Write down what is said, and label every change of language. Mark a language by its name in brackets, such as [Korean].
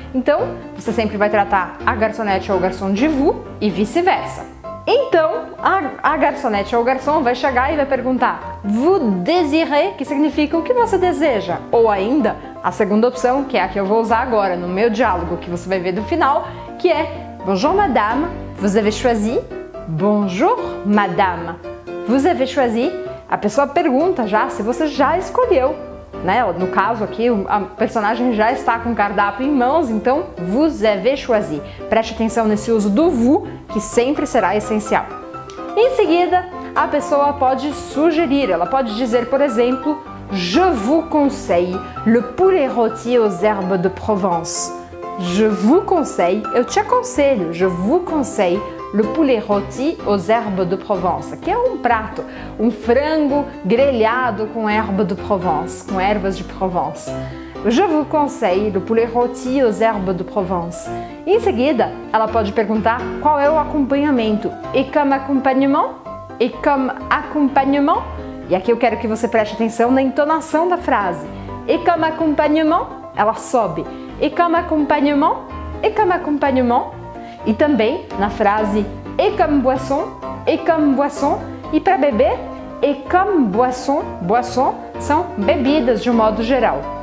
[Portuguese] Então, você sempre vai tratar a garçonete ou o garçom de vous e vice-versa. Então, a garçonete ou o garçom vai chegar e vai perguntar [French] vous désirez, [Portuguese] que significa o que você deseja. Ou ainda, a segunda opção, que é a que eu vou usar agora no meu diálogo que você vai ver do final, que é [French] bonjour madame, vous avez choisi? Bonjour madame, vous avez choisi? [Portuguese] A pessoa pergunta já se você já escolheu, né? No caso aqui, a personagem já está com o cardápio em mãos, então [French] vous avez choisi. [Portuguese] Preste atenção nesse uso do vous, que sempre será essencial. Em seguida, a pessoa pode sugerir, ela pode dizer, por exemplo, [French] je vous conseille le poulet rôti aux herbes de Provence. Je vous conseille, [Portuguese] eu te aconselho, [French] je vous conseille le poulet rôti aux herbes de Provence, [Portuguese] que é um prato, um frango grelhado com erva de Provence, com ervas de Provence. [French] Je vous conseille le poulet rôti aux herbes de Provence. [Portuguese] Em seguida, ela pode perguntar qual é o acompanhamento. [French] Et comme accompagnement? Et comme accompagnement? [Portuguese] E aqui eu quero que você preste atenção na entonação da frase. [French] Et comme accompagnement? [Portuguese] Ela sobe. [French] Et comme accompagnement? Et comme accompagnement? [Portuguese] E também na frase [French] et comme boisson, [Portuguese] e para beber, [French] et comme boisson, boisson, [Portuguese] são bebidas de um modo geral.